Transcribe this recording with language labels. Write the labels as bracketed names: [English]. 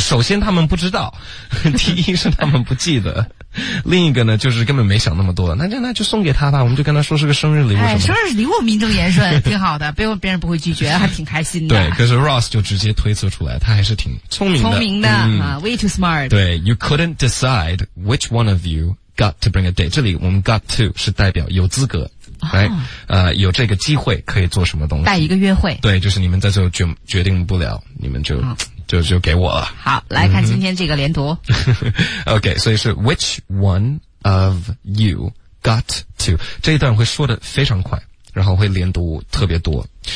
[Chinese] 首先他们不知道，第一是他们不记得。另一个呢就是根本没想那么多，那就送给他吧，我们就跟他说是个生日礼物什么、哎、生日礼物名正言顺，挺好的，别人不会拒绝，还挺开心的。对，可是 Ross 就直接推测出来，他还是挺聪明的 [English] 、way too smart。对， You couldn't decide which one of you got to bring a date， [Chinese] 这里我们 [English] got to [Chinese] 是代表有资格、 [English] oh. right? [Chinese] 有这个机会可以做什么东西，带一个约会。对，就是你们在这决定不了，你们就、oh. 就给我了。好，来看今天这个连读。 OK， 所以是 [English] Which one of you got to， [Chinese] 这一段会说的非常快，然后会连读特别多。